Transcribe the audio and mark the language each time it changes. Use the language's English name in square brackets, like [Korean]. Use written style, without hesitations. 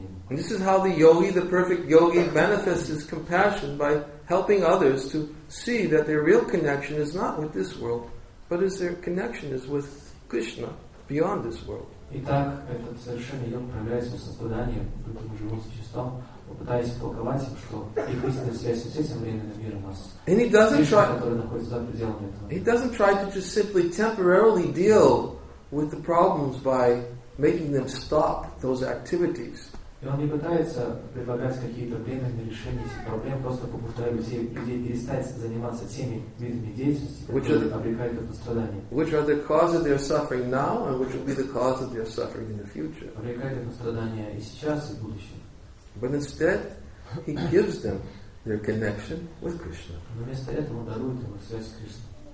[English] And this is how the yogi, the perfect yogi, manifests his compassion by helping others to see that their real connection is not with this world, but is their connection is with Krishna beyond this world. [Russian] Итак, этот совершенный йог проявляется в сострадании к другим живым существам, попытаясь толковать им, что их истинная связь с этим временным миром, а с Кришной, которая находится за пределами этого. [English] He doesn't try to just simply temporarily deal with the problems by making them stop those activities. [Russian] И он не пытается предлагать какие-то временные решения этих проблем, просто побуждая людей перестать заниматься теми видами деятельности, которые обрекают их на страдания. [English] Which are the cause of their suffering now, and which will be the cause of their suffering in the future. [Russian] Обрекает их на страдания и сейчас, и в будущем. [English] But instead, he gives them their connection with Krishna. [Russian] Но вместо этого он дарует им связь с Кришной.